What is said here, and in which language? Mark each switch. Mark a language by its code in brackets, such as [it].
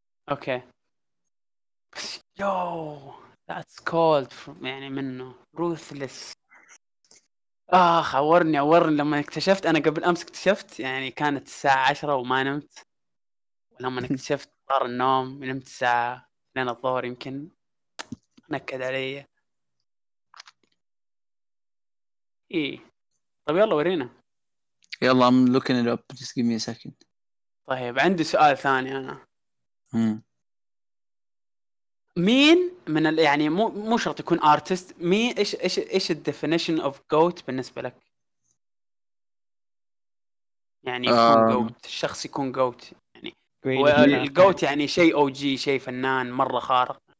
[ar] اوكي بس [en] you that's cold [ar] يعني منه روثلس عورني لما اكتشفت انا قبل امس اكتشفت يعني كانت الساعه 10 وما نمت ولما اكتشفت صار النوم نمت الساعه 2 الظهر يمكن نكد علي اي طب يلا ورينا [en] يلا I'm looking it up just give me a second [ar] طيب عندي سؤال ثاني انا هم مين من يعني مو شرط يكون ارتست مين ايش ايش ايش [en] الديفينيشن of GOAT [ar] بالنسبه لك يعني جوت الشخص يكون جوت يعني الجوت يعني شيء او جي شيء فنان مره خارق